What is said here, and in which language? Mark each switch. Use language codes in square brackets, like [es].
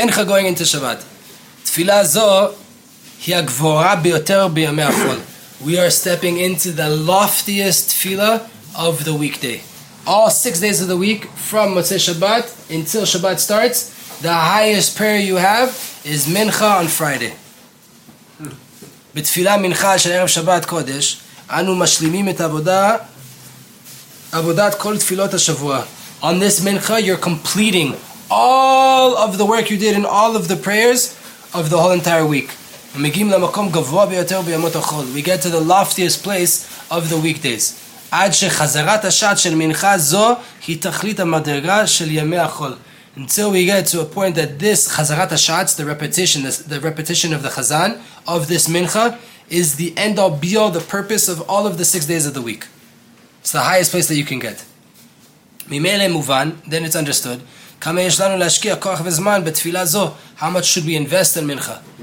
[en] Mincha going into Shabbat. [he] Tfilah zo hi ha-gvora biyoter biyamei achol. [en] We are stepping into the loftiest tefillah of the weekday. All 6 days of the week, from Motzei Shabbat until Shabbat starts, the highest prayer you have is Mincha on Friday. [he] B'tfilah Mincha shel Erev Shabbat Kodesh, אנו משלימים את עבודת כל תפילות השבוע. [en] On this mincha, you're completing all of the work you did in all of the prayers of the whole entire week. [he] מגיעים למקום גבוה ביותר בימות החול. [en] We get to the loftiest place of the weekdays. [he] עד שחזרת השעת של מנחה זו היא תכלית המדרגה של ימי החול. [en] Until we get to a point that this חזרת השעת, the repetition of the chazan, of this mincha, is the end all be all, the purpose of all of the 6 days of the week. It's the highest place that you can get. [he] Mimele muvan, [en] then it's understood. [he] Kama yesh lanu lashkia koach vezman betfilah zo. [en] How much should we invest in mincha?